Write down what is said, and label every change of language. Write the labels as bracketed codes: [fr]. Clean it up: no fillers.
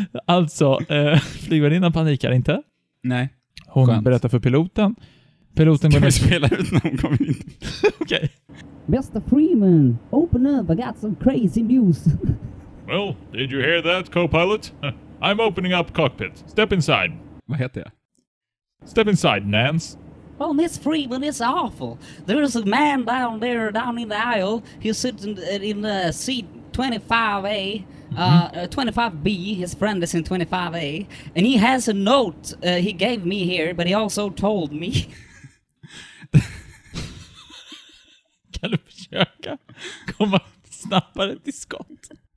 [sv] Alltså, flygvärdinnan panikar inte. Nej. Hon Skönt. Berättar för piloten. Piloten börjar spela ut när hon kommer in. Okej. [en] Okay. Mr. Freeman, open up. I got some crazy news. Well, did you hear that, co-pilot? I'm opening up cockpit. Step inside. [sv] Vad heter jag? [en] Step inside, Nance. Well, Miss Freeman, it's awful. There's a man down there, down in the aisle. He's sitting in the seat 25A. 25B, his friend is in 25A, and he has a note he gave me here, but he also told me. [sv] Kan du försöka komma snabbare till skott?